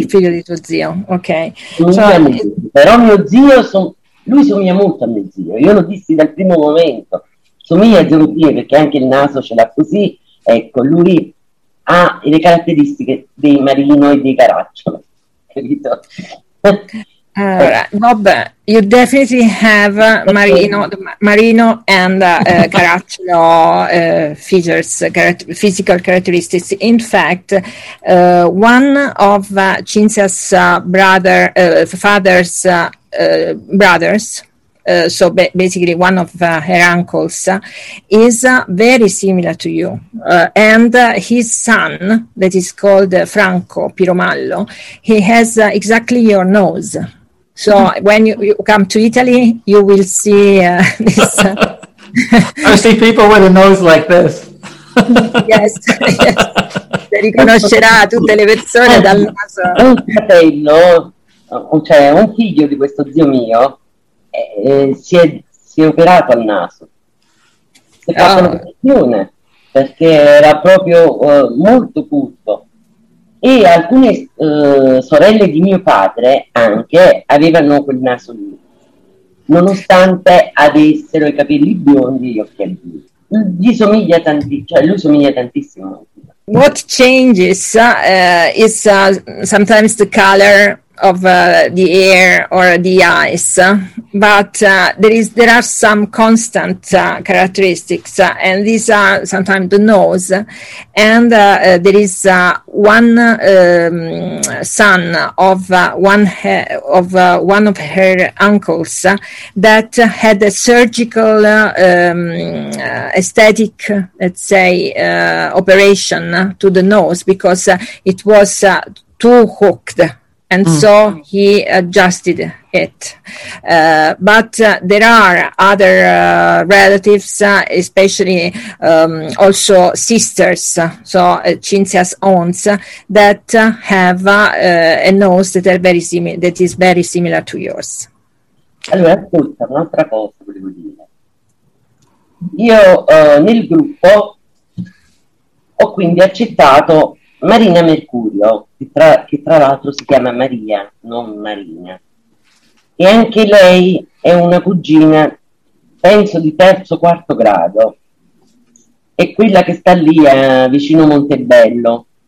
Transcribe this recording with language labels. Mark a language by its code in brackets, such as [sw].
[it] Il figlio di tuo zio, ok. Però mio zio, lui somiglia molto a mio zio, io lo dissi dal primo momento, somiglia a mio zio perché anche il naso ce l'ha così, ecco, lui ha le caratteristiche dei Marino e dei Caracciolo, capito? [en] Allora, Bob, you definitely have Marino and Caracciolo features, physical characteristics. In fact, one of Cinzia's father's brothers, so basically one of her uncles, is very similar to you. And his son, that is called Franco Pirumallo, he has exactly your nose. So when you come to Italy, you will see this. I see people with a nose like this. Yes, yes. [it] Riconoscerà tutte le persone dal naso. Un fratello, cioè un figlio di questo zio mio, si è operato al naso. Si è fatto una operazione, perché era proprio molto curvo. E alcune sorelle di mio padre anche avevano quel naso lì, nonostante avessero i capelli biondi e gli occhiali blu. Gli somiglia tantissimo, cioè lui somiglia tantissimo. [en] What changes is sometimes the color of the hair or the eyes, but there are some constant characteristics, and these are sometimes the nose, and there is one son of one of her uncles that had a surgical aesthetic, let's say, operation to the nose because it was too hooked. And so he adjusted it. But there are other relatives, especially also sisters, so Cinzia's aunts, that have a nose that are very similar, that is very similar to yours. [it] Allora, ascolta, un'altra cosa volevo dire. Io nel gruppo ho quindi accettato Marina Mercurio, che tra l'altro si chiama Maria, non Marina. E anche lei è una cugina, penso di terzo o quarto grado, è quella che sta lì vicino Montebello.